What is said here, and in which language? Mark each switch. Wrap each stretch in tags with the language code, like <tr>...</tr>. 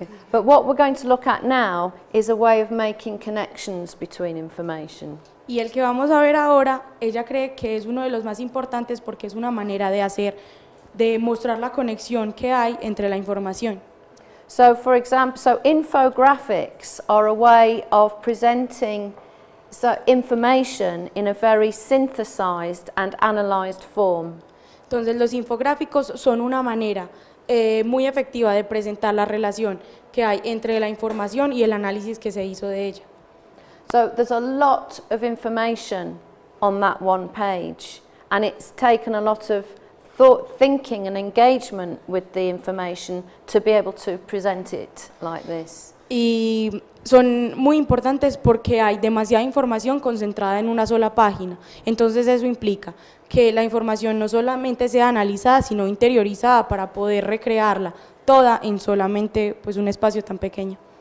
<en>But what we're going to look at now is a way of making connections between information.</en> <es>Y el que vamos a ver ahora, ella cree que es uno de los más importantes porque es una manera de hacer, de mostrar la conexión que hay entre la información.</es> <en>So, for example, so infographics are a way of presenting information in a very synthesized and analyzed form.</en> <es>Entonces, los infográficos son una manera muy efectiva de presentar la relación que hay entre la información y el análisis que se hizo de ella.</es> <en>So there's a lot of information on that one page, and it's taken a lot of thought, thinking and engagement with the information to be able to present it like this.</en> <es>Y son muy importantes porque hay demasiada información concentrada en una sola página. Entonces eso implica que la información no solamente sea analizada, sino interiorizada para poder recrearla toda en solamente pues un espacio tan pequeño.</es>